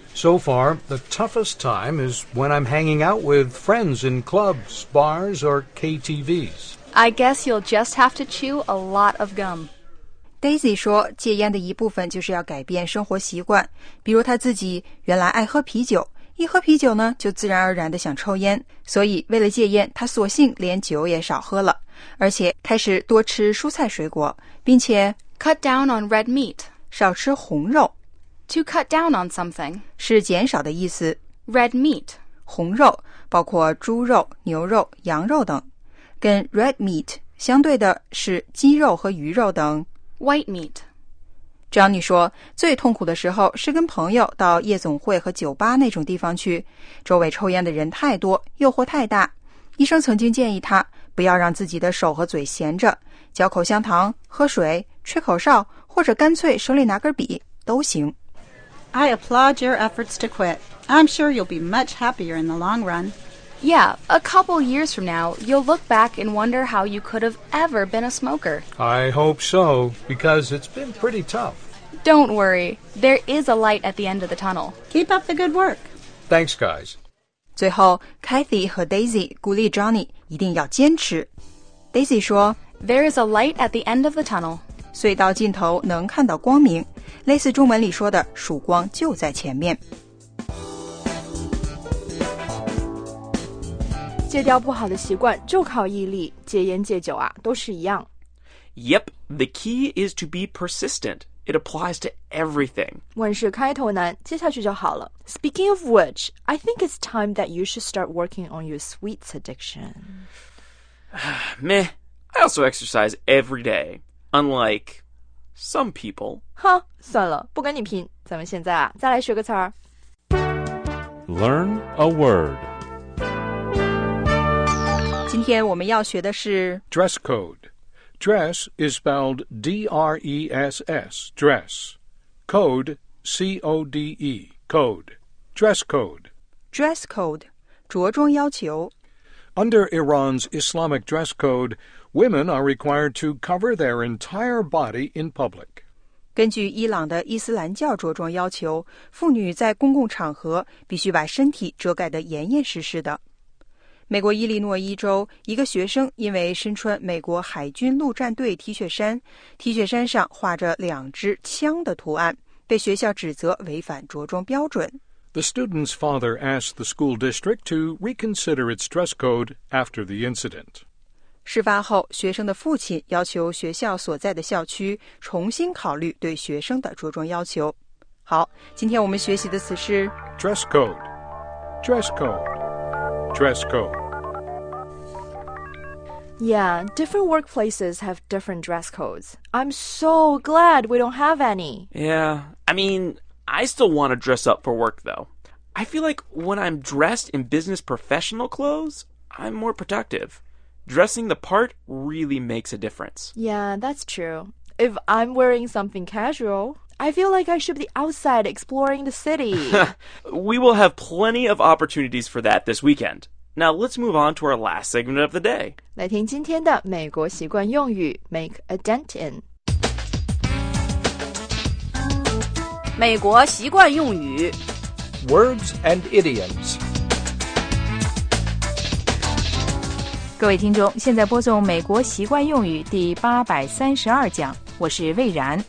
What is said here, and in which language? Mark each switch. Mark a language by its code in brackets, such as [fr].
[en] So far, the toughest time is when I'm hanging out with friends in clubs, bars, or KTVs. I guess you'll just have to chew a lot of gum. [zh] Daisy 说戒烟的一部分就是要改变生活习惯。比如她自己原来爱喝啤酒。一喝啤酒呢就自然而然地想抽烟。所以为了戒烟她索性连酒也少喝了。而且开始多吃蔬菜水果。并且 [en] cut down on red meat. [zh] 少吃红肉。 [en] To cut down on something. [zh] 是减少的意思。 [en] Red meat. [zh] 红肉包括猪肉牛肉羊肉等。跟 red meat 相对的是鸡肉和鱼肉等。 [en] White meat. [zh] Johnny 说最痛苦的时候是跟朋友到夜总会和酒吧那种地方去。周围抽烟的人太多诱惑太大。医生曾经建议他不要让自己的手和嘴闲着。嚼口香糖喝水吹口哨或者干脆手里拿根笔都行。 [en] I applaud your efforts to quit. I'm sure you'll be much happier in the long run. Yeah, a couple years from now, you'll look back and wonder how you could have ever been a smoker. I hope so, because it's been pretty tough. Don't worry, there is a light at the end of the tunnel. Keep up the good work. Thanks, guys. [zh] 最后 ,Kathy 和 Daisy 鼓励 Johnny 一定要坚持。 Daisy 说 [en] There is a light at the end of the tunnel. [zh] 隧道尽头能看到光明，类似中文里说的曙光就在前面。戒掉不好的习惯就靠毅力，戒烟戒酒啊，都是一样。 [en] Yep, the key is to be persistent. It applies to everything. [zh] 万事开头难，接下去就好了。 [en] Speaking of which, I think it's time that you should start working on your sweets addiction. Meh, I also exercise every day, unlike some people. [zh] 哈，算了，不跟你拼，咱们现在啊，再来学个词儿。 [en] Learn a word. [zh] 今天我们要学的是 [en] dress code. Dress is spelled D-R-E-S-S, dress. Code, C-O-D-E, code. Dress code. [zh] Dress code, 着装要求。 [en] Under Iran's Islamic dress code, women are required to cover their entire body in public. [zh] 根据伊朗的伊斯兰教着装要求，妇女在公共场合必须把身体遮盖得严严实实的。美国伊利诺伊州一个学生因为身穿美国海军陆战队 T 恤衫 T 恤衫上画着两支枪的图案被学校指责违反着装标准 [en] The student's father asked the school district to reconsider its dress code after the incident [zh] 事发后学生的父亲要求学校所在的校区重新考虑对学生的着装要求好今天我们学习的词是 [en] Dress code Dress codeDress code. Yeah, different workplaces have different dress codes. I'm so glad we don't have any. Yeah, I mean, I still want to dress up for work, though. I feel like when I'm dressed in business professional clothes, I'm more productive. Dressing the part really makes a difference. Yeah, that's true. If I'm wearing something casual... I feel like I should be outside exploring the city. We will have plenty of opportunities for that this weekend. Now let's move on to our last segment of the day. [zh] 来听今天的美国习惯用语 make a dent in. 美国习惯用语 [en] words and idioms. [zh] 各位听众，现在播送美国习惯用语第832讲，我是魏然。